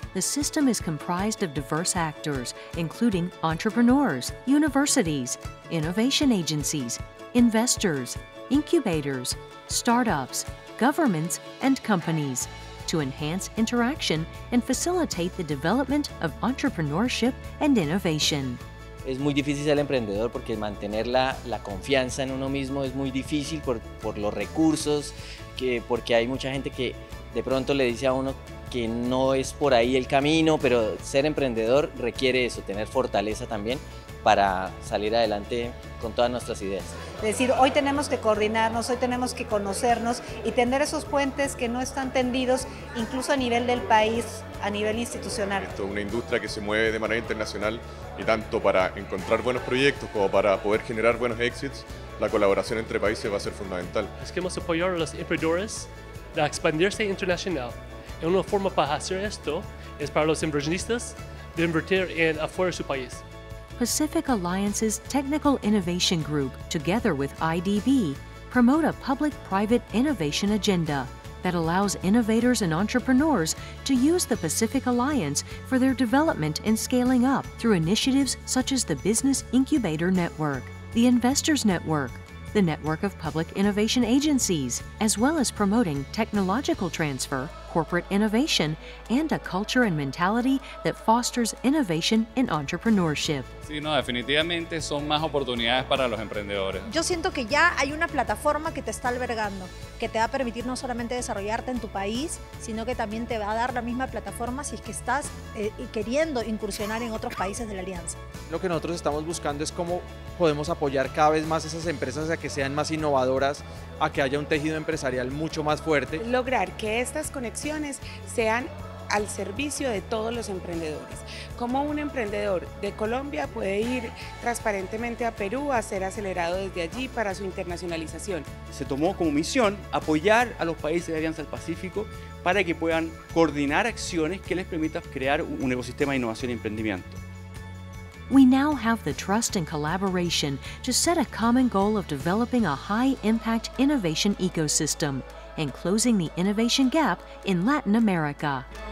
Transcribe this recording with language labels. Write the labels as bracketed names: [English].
[English] The system is comprised of diverse actors, including entrepreneurs, universities, innovation agencies, investors, incubators, startups, governments, and companies, to enhance interaction and facilitate the development of entrepreneurship and innovation. [Spanish] Es muy difícil ser emprendedor porque mantener la confianza en uno mismo es muy difícil por los recursos, porque hay mucha gente que de pronto le dice a uno que no es por ahí el camino, pero ser emprendedor requiere eso, tener fortaleza también para salir adelante con todas nuestras ideas. Es decir, hoy tenemos que coordinarnos, hoy tenemos que conocernos y tender esos puentes que no están tendidos, incluso a nivel del país, a nivel institucional. Esto es una industria que se mueve de manera internacional y tanto para encontrar buenos proyectos como para poder generar buenos exits, la colaboración entre países va a ser fundamental. Es que hemos apoyado a los emprendedores a expandirse internacional. En una forma para hacer esto es para los inversionistas de invertir en afuera de su país. [English] Pacific Alliance's Technical Innovation Group, together with IDB, promote a public-private innovation agenda that allows innovators and entrepreneurs to use the Pacific Alliance for their development and scaling up through initiatives such as the Business Incubator Network, the Investors Network, the Network of Public Innovation Agencies, as well as promoting technological transfer, corporate innovation, and a culture and mentality that fosters innovation and entrepreneurship. [Spanish] Sí, no, definitivamente son más oportunidades para los emprendedores. Yo siento que ya hay una plataforma que te está albergando, que te va a permitir no solamente desarrollarte en tu país, sino que también te va a dar la misma plataforma si es que estás queriendo incursionar en otros países de la alianza. Lo que nosotros estamos buscando es cómo podemos apoyar cada vez más esas empresas a que sean más innovadoras, a que haya un tejido empresarial mucho más fuerte. Lograr que estas conexiones sean al servicio de todos los emprendedores. Como un emprendedor de Colombia puede ir transparentemente a Perú a ser acelerado desde allí para su internacionalización. Se tomó como misión apoyar a los países de Alianza del Pacífico para que puedan coordinar acciones que les permitan crear un ecosistema de innovación y emprendimiento. [English] We now have the trust and collaboration to set a common goal of developing a high-impact innovation ecosystem and closing the innovation gap in Latin America.